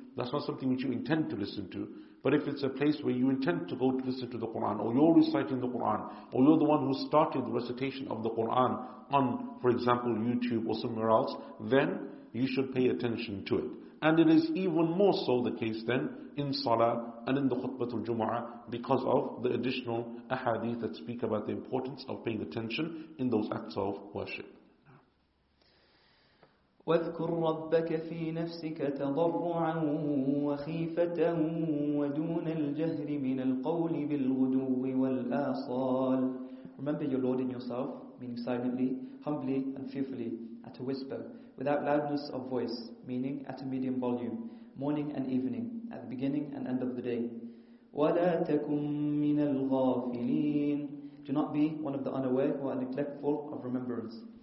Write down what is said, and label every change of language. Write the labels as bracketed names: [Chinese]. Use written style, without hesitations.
[English] That's not something which you intend to listen to. But if it's a place where you intend to go to listen to the Qur'an, or you're reciting the Qur'an, or you're the one who started the recitation of the Qur'an on, for example, YouTube or somewhere else, then you should pay attention to it. And it is even more so the case then in Salah and in the Khutbah of Jumu'ah, because of the additional ahadith that speak about the importance of paying attention in those acts of worship. [Arabic] واذكر ربك في نفسك تضرعا وخيفة ودون الجهر من القول بالغدو والآصال. [English] Remember your Lord in yourself, meaning silently, humbly and fearfully, at a whisper, without loudness of voice, meaning at a medium volume, morning and evening, at the beginning and end of the day. [Arabic] وَلَا تَكُمْ مِنَ الْغَافِلِينَ. [English] Do not be one of the unaware who are neglectful of remembrance.